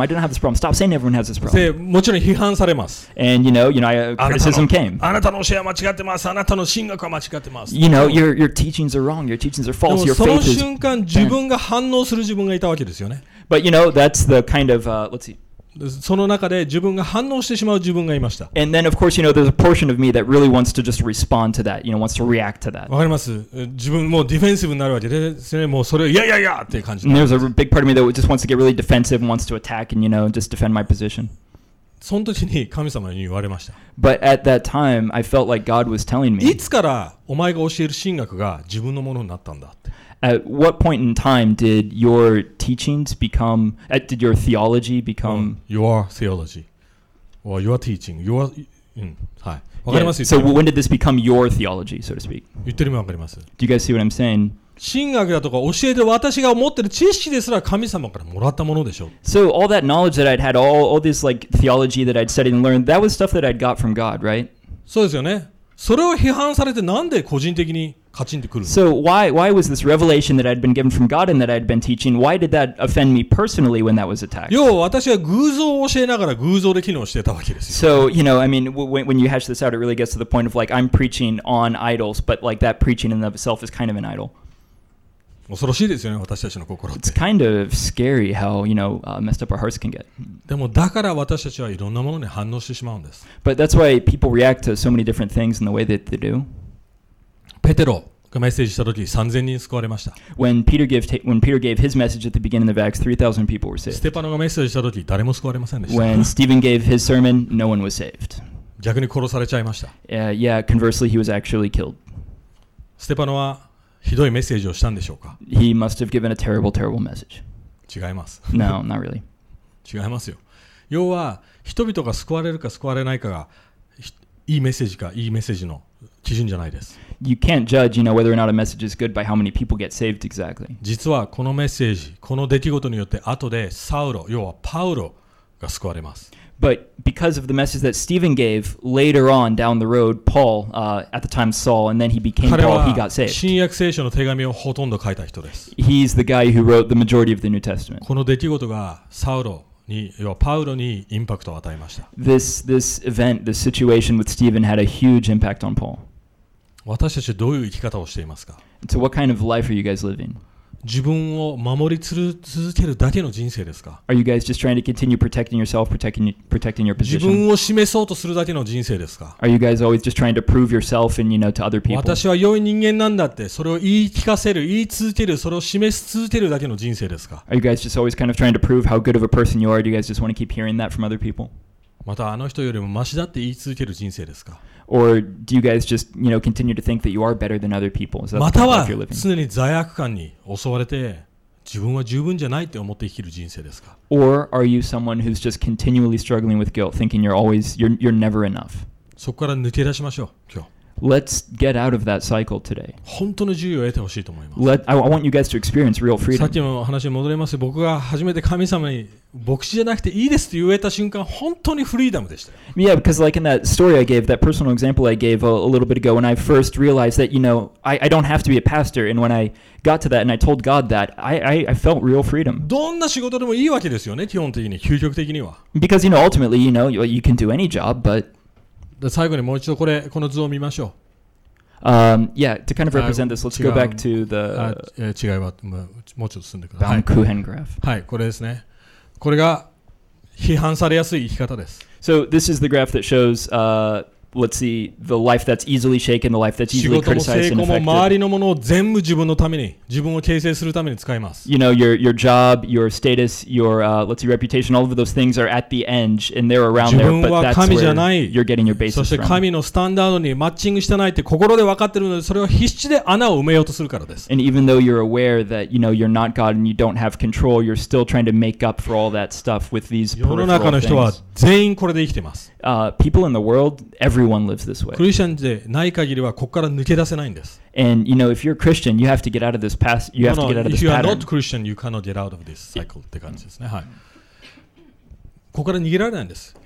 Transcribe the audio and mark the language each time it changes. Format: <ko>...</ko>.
<en>I do not have this problem. Stop saying everyone has this problem.</en> <ja>もちろん批判されます。</ja> <en>And you know, criticism came.</en> <ja>あなたの教えは間違ってます。あなたの神学は間違ってます。</ja> <en>You know, your teachings are wrong. Your teachings are false. Your faith is bad.</en> <ja>でもその瞬間自分が反応する自分がいたわけですよね。</ja> <en>But you know, that's the kind of, let's see.</en> <ja>その中で自分が反応してしまう自分がいました。</ja> <en>And then, of course, you know, there's a portion of me that really wants to just respond to that, you know, wants to react to that.</en> <ja>わかります。自分もうディフェンシブになるわけですね。もうそれ、いやいやいやっていう感じ。</ja> <en>And there's a big part of me that just wants to get really defensive and wants to attack and, you know, just defend my position.</en> <ja>その時に神様に言われました。</ja> <en>But at that time, I felt like God was telling me.</en> <ja>いつからお前が教える神学が自分のものになったんだって。</ja> <en>At what point in time did your teachings become, did your theology become? Your theology. Or your teaching. Your, yeah. So when did this become your theology, so to speak? Do you guys see what I'm saying?</en> <ja>神学だとか教えてる私が思ってる知識ですら神様からもらったものでしょう。</ja> <en>So all that knowledge that I'd had, all this like theology that I'd studied and learned, that was stuff that I'd got from God, right?</en> <ja>そうですよね。それを批判されてなんで個人的にカチンってくるの?</ja> <en>So why was this revelation that I'd been given from God and that I'd been teaching, why did that offend me personally when that was attacked?</en> <ja>要は私は偶像を教えながら偶像で機能してたわけですよ。</ja> <en>So, you know, I mean, when you hash this out, it really gets to the point of like, I'm preaching on idols, but like that preaching in and of itself is kind of an idol.</en> <ja>恐ろしいですよね、私たちの心って。</ja> <en>It's kind of scary how, you know, messed up our hearts can get.</en> <ja>でもだから私たちはいろんなものに反応してしまうんです。</ja> <en>But that's why people react to so many different things in the way that they do.</en> <ja>ペテロがメッセージした時、3000人救われました。</ja> <en>When Peter gave his message at the beginning of Acts, 3000 people were saved.</en> <ja>ステパノがメッセージした時、誰も救われませんでした。</ja> <en>When Stephen gave his sermon, no one was saved.</en> <ja>逆に殺されちゃいました。</ja> <en>Yeah, conversely, he was actually killed.</en> <ja>ステパノはひどいメッセージをしたんでしょうか?</ja> <en>He must have given a terrible, terrible message.</en> <ja>違います。</ja> <en>No, not really.</en> <ja>違いますよ。要は人々が救われるか救われないかがいいメッセージかいいメッセージの基準じゃないです。</ja> <en>You can't judge, you know, whether or not a message is good by how many people get saved exactly.</en> <ja>実はこのメッセージ、この出来事によって後でサウロ、要はパウロが救われます。</ja> <en>But because of the message that Stephen gave later on down the road, Paul, at the time Saul, and then he became Paul, he got saved.</en> <ja>新約聖書の手紙をほとんど書いた人です。</ja> <en>He's the guy who wrote the majority of the New Testament.</en> <ja>この出来事がサウロに、要はパウロにインパクトを与えました。</ja> <en>This event, this situation with Stephen had a huge impact on Paul.</en> <ja>私たちどういう生き方をしていますか?</ja> <en>So what kind of life are you guys living?</en> <ja>自分を守り続けるだけの人生ですか?</ja> <en>Are you guys just trying to continue protecting yourself, protecting your position?</en> <ja>自分を示そうとするだけの人生ですか?</ja> <en>Are you guys always just trying to prove yourself and, you know, to other people?</en> <ja>私は良い人間なんだって、それを言い聞かせる、言い続ける、それを示し続けるだけの人生ですか?</ja> <en>Are you guys just always kind of trying to prove how good of a person you are? Do you guys just want to keep hearing that from other people?</en> <ja>またあの人よりもマシだって言い続ける人生ですか?</ja> <en>Or do you guys just, you know, continue to think that you are better than other people? Is that the life you're living?</en> <ja>または常に罪悪感に襲われて自分は十分じゃないって思って生きる人生ですか?</ja> <en>Or are you someone who's just continually struggling with guilt, thinking you're never enough?</en> <ja>そこから抜け出しましょう、今日。</ja> <en>Let's get out of that cycle today.</en> <ja>本当の自由を得てほしいと思います。</ja> <en>I want you guys to experience real freedom.</en> <ja>さっきの話に戻ります。僕が初めて神様に牧師じゃなくていいですと言えた瞬間、本当にフリーダムでした。</ja> <en>Yeah, because like in that story I gave, that personal example I gave a little bit ago, when I first realized that, you know, I don't have to be a pastor, and when I got to that and I told God that, I felt real freedom.</en> <ja>どんな仕事でもいいわけですよね、基本的に、究極的には。</ja> <en>Because, you know, ultimately, you know, you can do any job, but...</en> <ja>最後にもう一度これこの図を見ましょう。</ja> <en>Yeah, to kind of represent this, let's go back to the</en> <ja>違いはもうちょっと進んでください。</ja> <en>Baum-Cohen graph.</en> <ja>はい、これですね。これが批判されやすい生き方です。</ja> <en>So this is the graph that shows, let's see, the life that's easily shaken, the life that's easily criticized and affected.</en> <ja>仕事も成功も周りのものを全部自分のために、自分を形成するために使います。</ja> <en>You know, your job, your status, your, let's see, reputation, all of those things are at the edge and they're around there, but that's where you're getting your basis from.</en> <ja>そして神のスタンダードにマッチングしてないって心で分かってるので、それを必死で穴を埋めようとするからです。</ja> <en>And even though you're aware that, you know, you're not God and you don't have control, you're still trying to make up for all that stuff with these peripheral things.</en> <ja>世の中の人は全員これで生きてます。</ja> <en>People in the world, everyone lives this way.</en> <ja>クリスチャンでない限りはここから抜け出せないんです。</ja> <en>And you know, if you're a Christian, you have to get out of this path. You have to get out of this pattern. If you are not Christian, you cannot get out of this cycle.</en> <ja>って感じですね。はい。ここから逃げられないんです。</ja>